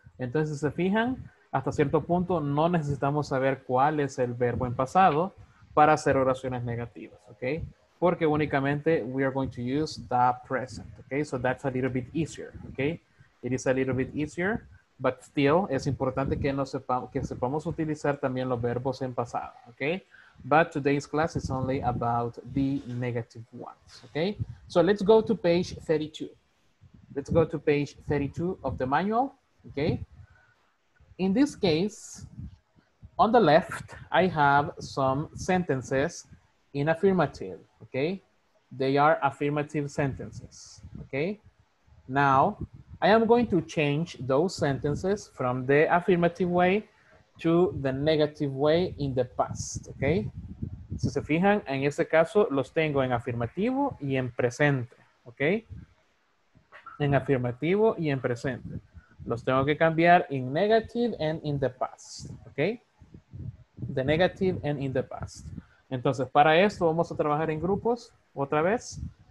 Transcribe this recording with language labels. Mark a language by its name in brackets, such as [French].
[Spanish] Entonces, se fijan, hasta cierto punto no necesitamos saber cuál es el verbo en pasado para hacer oraciones negativas, okay? Porque únicamente [English] we are going to use the present, okay? So that's a little bit easier, okay? It is a little bit easier. But still, [Spanish] es importante que, sepamos utilizar también los verbos en pasado, okay? [English] But today's class is only about the negative ones, okay? So let's go to page 32. Let's go to page 32 of the manual, okay? In this case, on the left, I have some sentences in affirmative, okay? They are affirmative sentences, okay? Now, I am going to change those sentences from the affirmative way to the negative way in the past, okay? [Spanish] Si se fijan, en este caso los tengo en afirmativo y en presente, okay? En afirmativo y en presente. Los tengo que cambiar [English] in negative and in the past, [Spanish] okay? [English] The negative and in the past. [Spanish] Entonces, para esto vamos a trabajar en grupos otra vez.